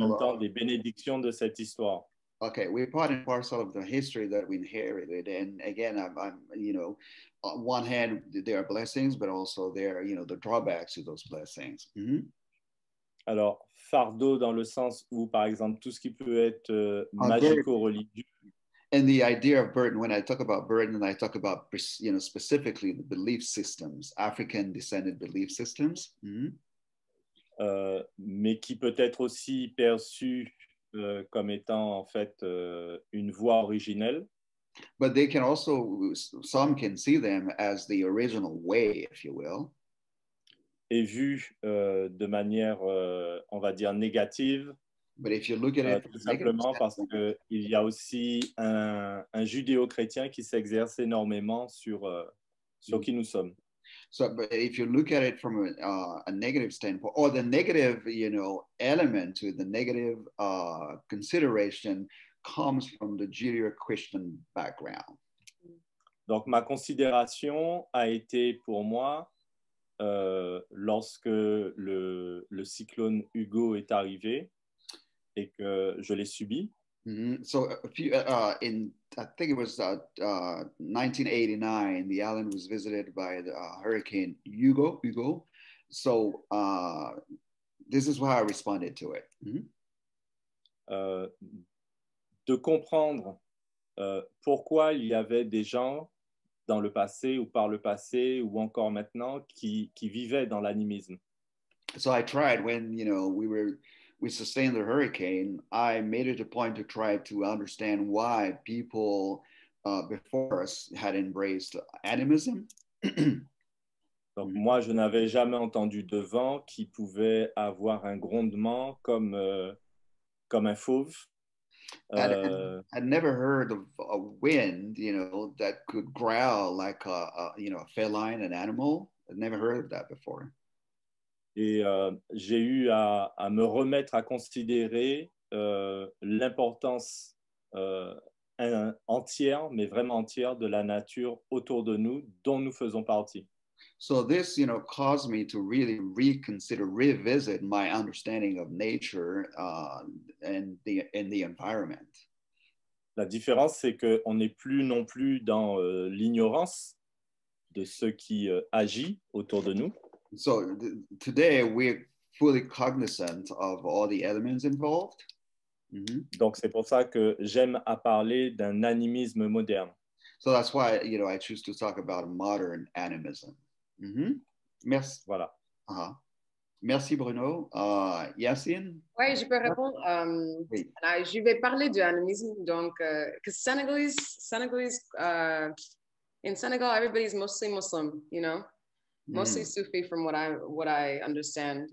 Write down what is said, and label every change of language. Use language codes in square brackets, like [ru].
[fr] En même temps, des bénédictions de cette histoire. [en] Okay, we're part and parcel of the history that we inherited. And again, I'm, you know, on one hand, there are blessings, but also there are, you know, the drawbacks to those blessings. Mm-hmm. [fr] Alors, fardeau dans le sens où, par exemple, tout ce qui peut être magico-religieux. [en] And the idea of burden, when I talk about burden, I talk about, you know, specifically the belief systems, African descended belief systems. Mm-hmm. [fr] Mais qui peut être aussi perçu comme étant en fait une voie originelle. [en] But they can also, some can see them as the original way, if you will. [fr] Et vu de manière, on va dire, négative. [en] But if you look at it, [fr] tout simplement parce que il y a aussi un judéo-chrétien qui s'exerce énormément sur sur qui nous sommes. [en] So, but if you look at it from a negative standpoint, or the negative, you know, element to the negative consideration comes from the Judeo-Christian background. [fr] Donc ma considération a été pour moi lorsque le cyclone Hugo est arrivé et que je l'ai subi. Mm-hmm. [en] So a few, in I think it was 1989, the island was visited by the hurricane Hugo. So this is how I responded to it. Mm-hmm. [fr] De comprendre pourquoi il y avait des gens dans le passé ou par le passé ou encore maintenant qui vivaient dans l'animisme. [en] So I tried when, you know, we sustained the hurricane, I made it a point to try to understand why people before us had embraced animism. [fr] Donc moi, je n'avais jamais entendu de vent qui pouvait avoir un grondement comme un fauve. [en] I'd never heard of a wind, you know, that could growl like a feline, an animal. I'd never heard of that before. [fr] Et j'ai eu à me remettre à considérer l'importance entière, mais vraiment entière, de la nature autour de nous, dont nous faisons partie. [en] So this, you know, caused me to really revisit my understanding of nature and the environment. [fr] La différence, c'est que on n'est plus non plus dans l'ignorance de ce qui agit autour de nous. [en] So today we're fully cognizant of all the elements involved. Mm-hmm. [fr] Donc c'est pour ça que j'aime à parler d'un animisme moderne. [en] So that's why, you know, I choose to talk about modern animism. [fr] Mm-hmm. Merci. Voilà. Uh-huh. Merci Bruno. Yacine? Oui, je peux répondre. Oui. Je vais parler du animisme. [en] Donc, in Senegal, everybody is mostly Muslim, you know, mostly Sufi, from what I understand.